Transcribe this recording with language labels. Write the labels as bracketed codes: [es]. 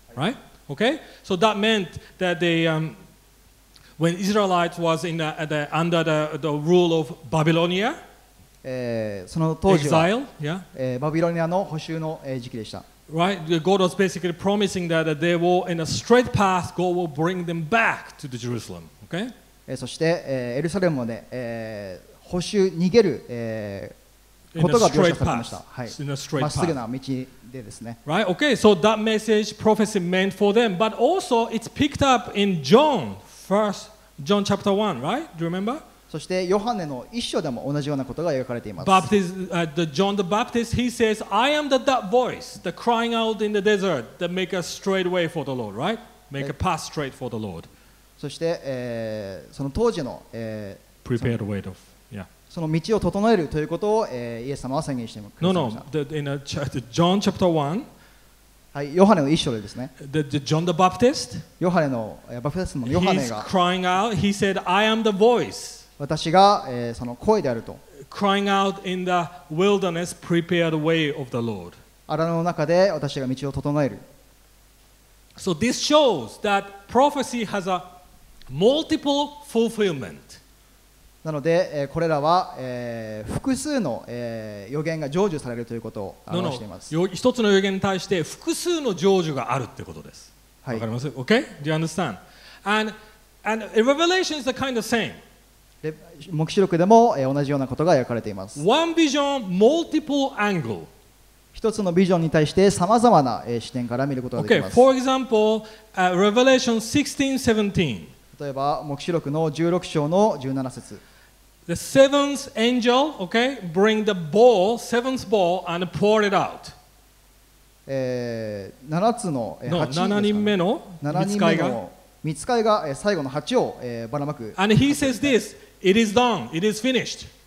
[en] Right? Okay, so that meant that they, when Israelites was in the under the rule of Babylonia, exile, yeah, [ja] Babylonia の捕囚の時期でした。 [en] Right, God was basically promising that they will, in a straight path, God will bring them back to the Jerusalem. Okay, [ja] そしてエルサレムで捕囚逃げる。ことが描写されました。はい。まっすぐな道でですね。 [en] Right? Okay. So that message, prophecy meant for them, but also it's picked up in John, first John chapter 1, right? Do you remember? [ja] そしてヨハネの一章でも同じようなことが描かれています。 [en] Baptist, the John the Baptist, he says, "I am that voice, the crying out in the desert, that make a straight way for the Lord." Right? Make a path straight for the Lord. [ja] そして、その当時の、 [en] prepared way of. [ja] その道を整えるということを、イエス様は宣言してくれました。 [en] No, no. The John chapter 1. [ja] はい、ヨハネの一章でですね。 [en] The John the Baptist. [ja] ヨハネの、バプテスマのヨハネが。 [en] He's crying out. He said, "I am the voice." [ja] 私が、その声であると。 [en] Crying out in the wilderness, prepare the way of the Lord. [ja] 荒野の中で私が道を整える。 [en] So this shows that prophecy has a multiple fulfillment. [ja] なので、これらは、複数の、予言が成就されるということを表しています。 [en] No, no. [ja] 一つの予言に対して複数の成就があるということです。はい、わかります ？ [en] OK? Do you understand? And Revelation is the kind of same. [ja] 黙示録でも、同じようなことが描かれています。 [en] One vision, multiple angle. [ja] 一つのビジョンに対してさまざまな、視点から見ることができます。 [en] OK, for example, Revelation 16, 17. [ja] 例えば黙示録の16章の17節。 [en] The seventh angel, okay, bring the bowl, seventh bowl, and pour it out. [ja] 7つの 7人目の御使いが最後の鉢をばらまく。 [en] And he says this, it is done, it is finished.